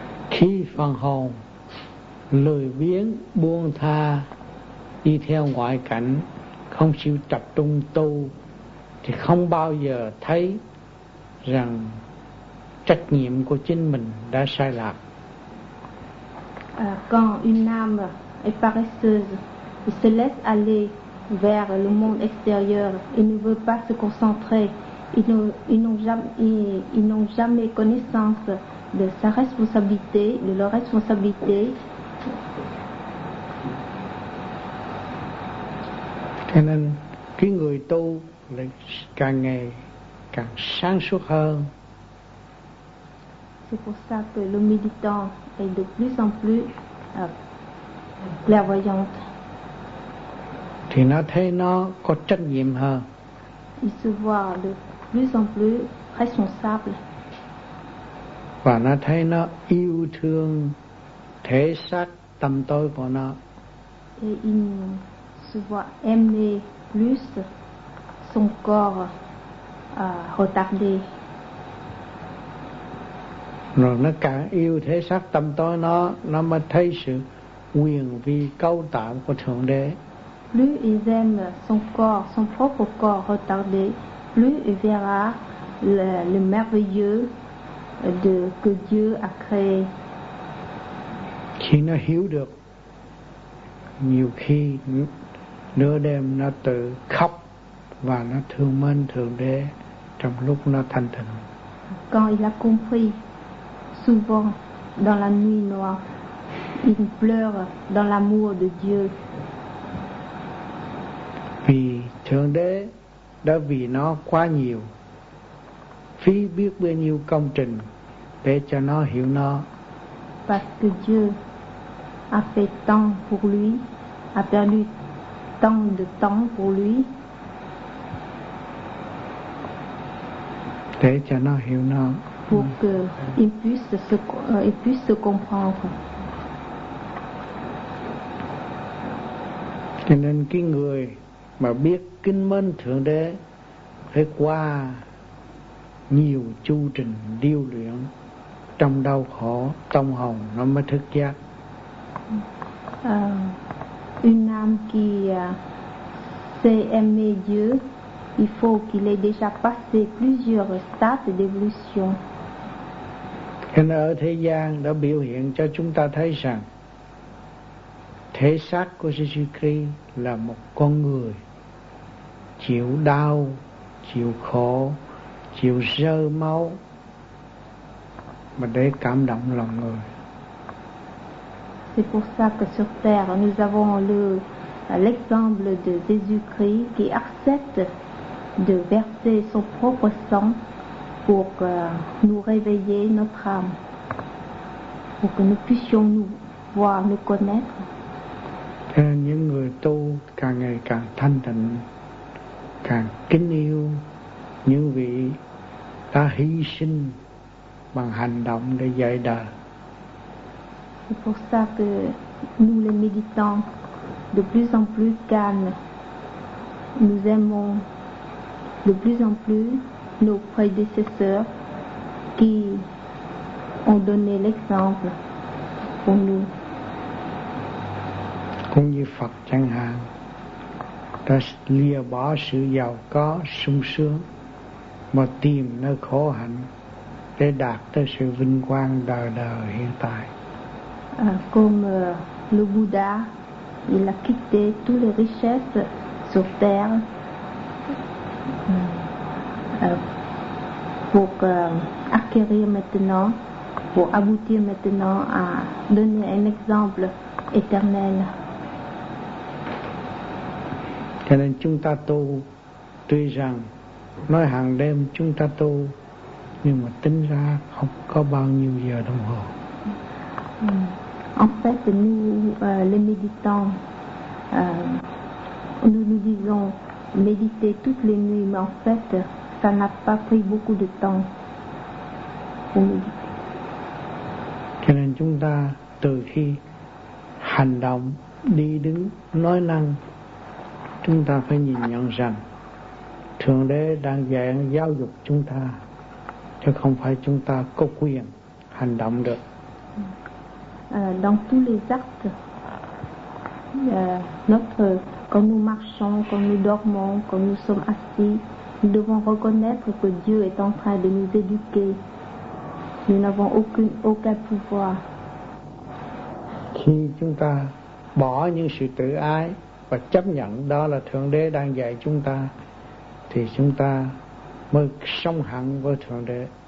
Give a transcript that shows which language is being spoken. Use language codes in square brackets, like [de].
[vi] Khi phần hồn lười biếng buông tha đi theo ngoại cảnh, không chịu tập trung tu, thì không bao giờ thấy rằng trách nhiệm của chính mình đã sai lạc. [fr] Quand une âme est paresseuse et se laisse aller vers le monde extérieur et ne veut pas se concentrer, ils n'ont jamais connaissance de sa responsabilité, de leur responsabilité. [vi] Cho nên cái người tu lại càng ngày càng sáng suốt hơn. [fr] C'est pour ça que le méditant est de plus en plus clairvoyante. [vi] Thì nó thấy nó có trách nhiệm hơn. [fr] Il se voit de plus en plus responsable. [vi] Và nó thấy nó yêu thương thể xác tâm tối của nó. [fr] Et il se voit aimer plus son corps retardé. [vi] Rồi nó càng yêu thể xác tâm tối nó mới thấy sự quyền vị cao tạm của Thượng Đế. [fr] Plus il aime son corps, son propre corps retardé, plus il verra le merveilleux de que Dieu a créé. [vi] Khi nó hiểu được, nhiều khi nửa đêm nó tự khóc và nó thương mến Thượng Đế trong lúc nó thanh tịnh. [fr] Quand il a compris, souvent dans la nuit noire, il pleure dans l'amour de Dieu. [vi] Vì Thượng Đế đã vì nó quá nhiều, phí biết bao nhiêu công trình để cho nó hiểu nó. [fr] Parce que Dieu a fait tant pour lui, a perdu tant de temps pour lui. [vi] Để cho nó hiểu nó. [fr] Pour qu'il puisse comprendre. [vi] Cho nên cái người mà biết kính mến Thượng Đế phải qua nhiều chu trình điêu luyện trong đau khổ trong hồng nó mới thức giác. [fr] Une âme qui sait aimer Dieu, il faut qu'il ait déjà passé plusieurs stades d'évolution. [vi] Nên ở thế gian đã biểu hiện cho chúng ta thấy rằng thể xác của Jésus-Christ là một con người chịu đau, chịu khổ, chịu rơ máu mà để cảm động lòng người. [fr] C'est pour ça que sur terre nous avons l'exemple de Jésus-Christ qui accepte de verser son propre sang pour nous réveiller notre âme, pour que nous puissions nous voir, nous connaître. [vi] Thế những người tu càng ngày càng thanh tịnh, càng kính yêu những vị đã hy sinh bằng hành động để dạy đời. [fr] C'est pour ça que nous les méditants de plus en plus calmes, nous aimons de plus en plus nos prédécesseurs qui ont donné l'exemple pour nous. [vi] Cũng như Phật chẳng hạn, đã lìa bỏ sự giàu có sung sướng mà tìm nơi khổ hạnh để đạt tới sự vinh quang đời đời hiện tại. [fr] Comme le Bouddha, il a quitté toutes les richesses sur terre pour acquérir maintenant, pour aboutir maintenant à donner un exemple éternel. [vi] Cho nên chúng ta tu, tuy rằng nói hàng đêm chúng ta tu, nhưng mà tính ra không có bao nhiêu giờ đồng hồ. [fr] En fait, nous les méditants, nous disons méditer toutes les nuits, mais en fait, ça n'a pas pris beaucoup de temps pour méditer. [vi] Cho nên chúng ta từ khi hành động, đi đứng, nói năng, chúng ta phải nhìn nhận rằng Thượng Đế đang dạy giáo dục chúng ta, chứ không phải chúng ta có quyền hành động được. [fr] Dans tous les actes, notre quand nous marchons, quand nous dormons, quand nous sommes assis, nous devons reconnaître que Dieu est en train de nous éduquer. Nous n'avons aucun pouvoir. [vi] Khi chúng ta bỏ những sự tự ái và chấp nhận đó là Thượng Đế đang dạy chúng ta, thì chúng ta mới song hành với Thượng Đế.